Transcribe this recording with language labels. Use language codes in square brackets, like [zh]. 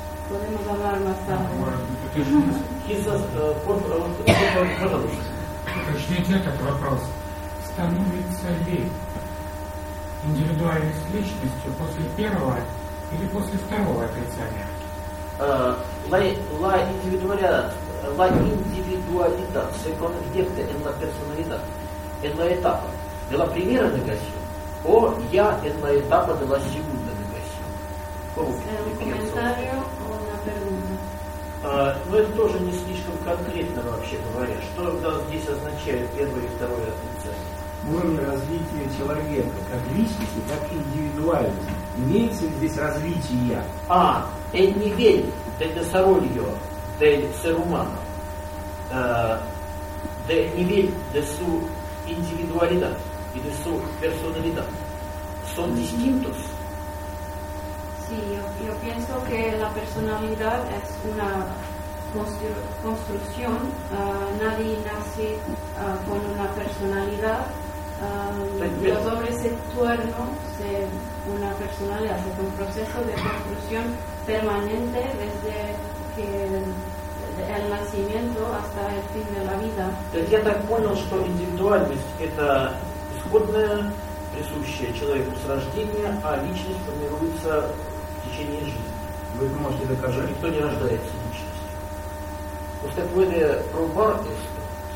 [ru] Уточните этот вопрос. Становится ли индивидуальность личностью после первого или после второго отрицания? [es] La individualidad, la individualidad se convierte en la personalidad, en la etapa de la primera negación, o ya en la etapa de la segunda negación. ¿Cómo comentario o una pregunta? [ru] Это тоже не слишком конкретно вообще говоря, что здесь означает первое и второе отрицание. Уровень развития человека как личности, как индивидуальности. Имеется ли здесь развитие я? [es] А, el nivel del desarrollo del ser humano, del nivel de su individualidad y de su personalidad, son distintos. Sí, yo pienso que la personalidad es una construcción. Nadie nace con una personalidad. Los hombres se tuerce una personalidad, es un proceso de construcción permanente desde que el nacimiento hasta el fin de la vida. [ru] Я так понял, что индивидуальность это исходная, присущая человеку с рождения, а личность формируется в течение жизни. Вы это можете доказать? Никто не рождается личностью. [es] Usted puede probar esto.